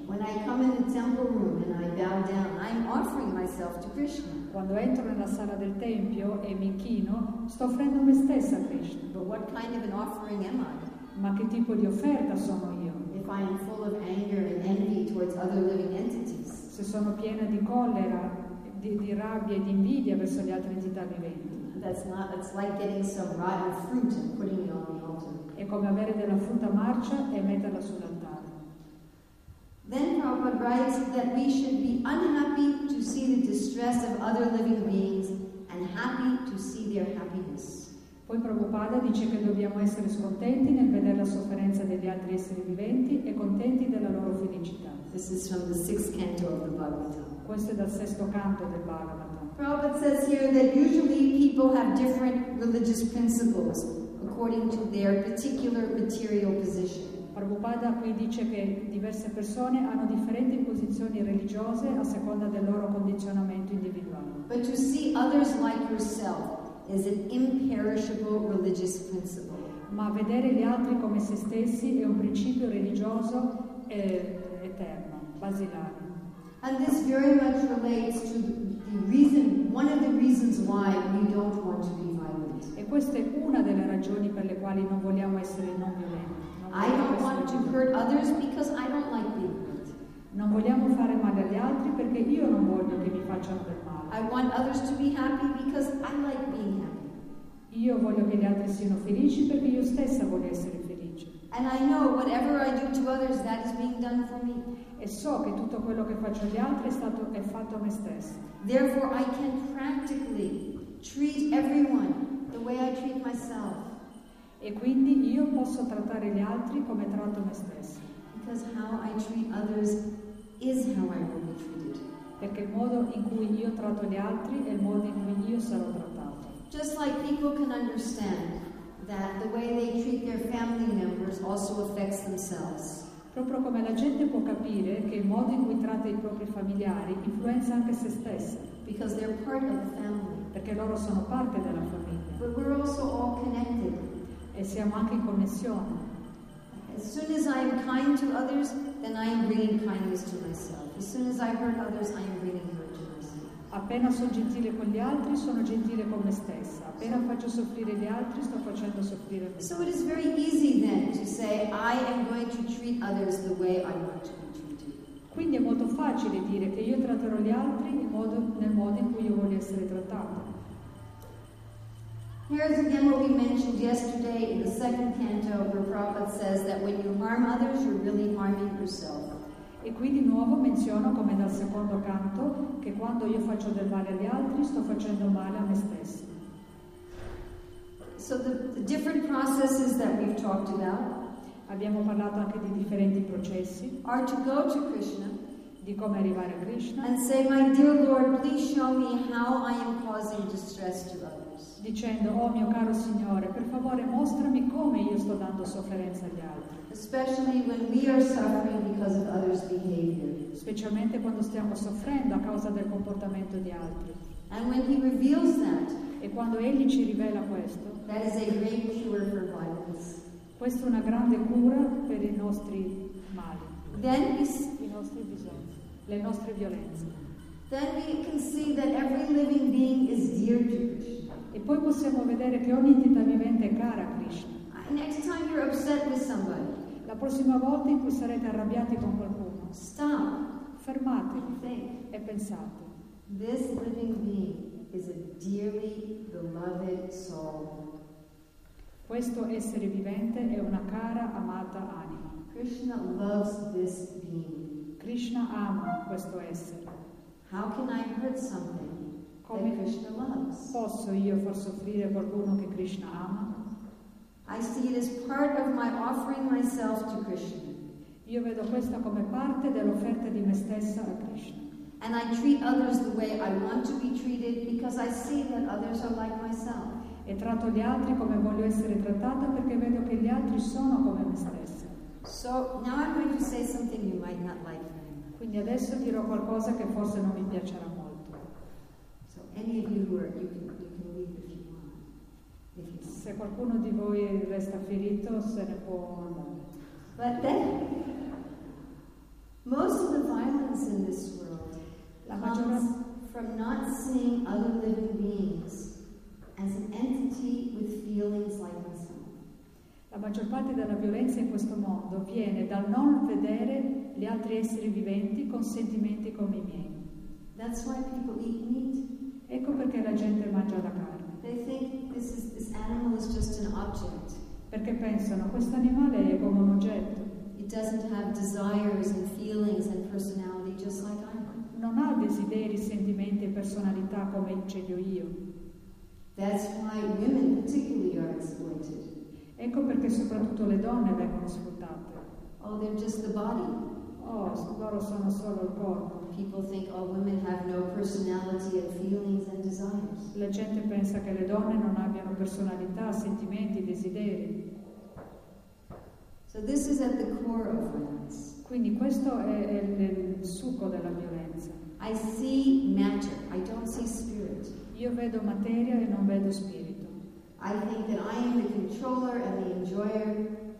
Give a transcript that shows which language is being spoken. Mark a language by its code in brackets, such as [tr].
[en] When I come in the temple room and I bow down, I'm offering myself to Krishna. [it] Quando entro nella sala del tempio e mi inchino, sto offrendo me stessa a Krishna. [en] But what kind of an offering am I? [it] Ma che tipo di offerta sono io? [en] If I am full of anger and envy towards other living entities. [it] Se sono piena di collera, di rabbia e di invidia verso le altre entità viventi. [en] That's not, it's like getting some rotten fruit and putting it on the altar. [it] È come avere della frutta marcia e metterla sull'altare. [en] Then Prabhupada writes that we should be unhappy to see the distress of other living beings and happy to see their happiness. [it] Poi Prabhupada dice che dobbiamo essere scontenti nel vedere la sofferenza degli altri esseri viventi e contenti della loro felicità. [en] This is from the sixth canto of the Bhagavatam. [it] Questo è dal sesto canto del Bhagavatam. [en] Prabhupada says here that usually people have different religious principles according to their particular material position. [it] Prabhupada qui dice che diverse persone hanno differenti posizioni religiose a seconda del loro condizionamento individuale. [en] But to see others like yourself is an imperishable religious principle. [it] Ma vedere gli altri come se stessi è un principio religioso eterno, basilare. [en] And this very much relates to the reason, one of the reasons why we don't want to be violent. [it] E questa è una delle ragioni per le quali non vogliamo essere non violenti. [en] I don't want to hurt others because I don't like being hurt. [it] Non vogliamo fare male agli altri perché io non voglio che mi facciano del male. [en] I want others to be happy because I like being happy. [it] Io voglio che gli altri siano felici perché io stessa voglio essere felice. [en] And I know whatever I do to others, that is being done for me. [it] E so che tutto quello che faccio agli altri è fatto a me stessa. [en] Therefore, I can practically treat everyone the way I treat myself. [it] E quindi io posso trattare gli altri come tratto me stessa. [en] Because how I treat others is how I will be treated. [it] Perché il modo in cui io tratto gli altri è il modo in cui io sarò trattato. [en] Just like people can understand that the way they treat their family members also affects themselves. [it] Proprio come la gente può capire che il modo in cui tratta i propri familiari influenza anche se stessa. [en] Because they're part of the family. [it] Perché loro sono parte della famiglia. [en] But we're also all connected. [it] E siamo anche in connessione. [en] As soon as I am kind to others, then I am bringing kindness to myself. As soon as I hurt others, I am bringing hurt to myself. [it] Appena sono gentile con gli altri, sono gentile con me stessa. Appena faccio soffrire gli altri, sto facendo soffrire me. [en] So it is very easy then to say I am going to treat others the way I want to be treated. [it] Quindi è molto facile dire che io tratterò gli altri nel modo in cui io voglio essere trattato. [en] Here is again what we mentioned yesterday in the second canto, where Prabhupada says that when you harm others, you're really harming yourself. [it] E qui di nuovo menziono, come dal secondo canto, che quando io faccio del male agli altri, sto facendo male a me stessa. [en] So the different processes that we've talked about, [it] abbiamo parlato anche di differenti processi, [en] are to go to Krishna, [it] di come arrivare a Krishna, [en] and say, my dear Lord, please show me how I am causing distress to others. [it] Dicendo, oh mio caro Signore, per favore mostrami come io sto dando sofferenza agli altri. [en] Especially when we are suffering because of others' behavior. [it] Specialmente quando stiamo soffrendo a causa del comportamento di altri. [en] And when he reveals that, [it] e quando egli ci rivela questo, [en] that is a great cure for violence. [it] Questa è una grande cura per i nostri mali. [en] Then [it] i nostri bisogni, le nostre violenze. [en] Then we can see that every living being is dear to Krishna. [it] E poi possiamo vedere che ogni entità vivente è cara a Krishna. [en] Next time you're upset with somebody, [it] la prossima volta in cui sarete arrabbiati con qualcuno, [en] stop, [it] fermatevi e pensate. [en] This living being is a dearly beloved soul. [it] Questo essere vivente è una cara, amata anima. [en] Krishna loves this being. [it] Krishna ama questo essere. [en] How can I hurt something [it] come [en] that Krishna loves? [it] Posso io far soffrire qualcuno che Krishna ama? [en] I see it as part of my offering myself to Krishna. [it] Io vedo questa come parte dell'offerta di me stessa a Krishna. [en] And I treat others the way I want to be treated because I see that others are like myself. [it] E tratto gli altri come voglio essere trattata perché vedo che gli altri sono come me stessa. [en] So now I'm going to say something you might not like. [it] Quindi adesso dirò qualcosa che forse non vi piacerà molto. [en] So any of you who are, you can leave if you want. If you want. [it] Se qualcuno di voi resta ferito, se ne può andare. [en] But then, most of the violence in this world comes from not seeing other living beings as an entity with feelings like myself. [it] La maggior parte della violenza in questo mondo viene dal non vedere gli altri esseri viventi con sentimenti come i miei. [en] That's why people eat meat. [it] Ecco perché la gente mangia la carne. [en] They think this animal is just an object. [it] Perché pensano questo animale è come un oggetto. [en] It doesn't have desires and feelings and personality just like I do. [it] Non ha desideri, sentimenti e personalità come ce li ho io. [en] That's why women particularly are exploited. [it] Ecco perché soprattutto le donne vengono sfruttate. [en] Oh, they're just the body. [it] Oh, loro sono solo il corpo. [en] People think all women have no personality and feelings and desires. [it] La gente pensa che le donne non abbiano personalità, sentimenti, desideri. [en] So this is at the core of violence. [it] Quindi questo è il succo della violenza. [en] I see matter, I don't see spirit. [it] Io vedo materia e non vedo spirito. [en] I think that I am the controller and the enjoyer.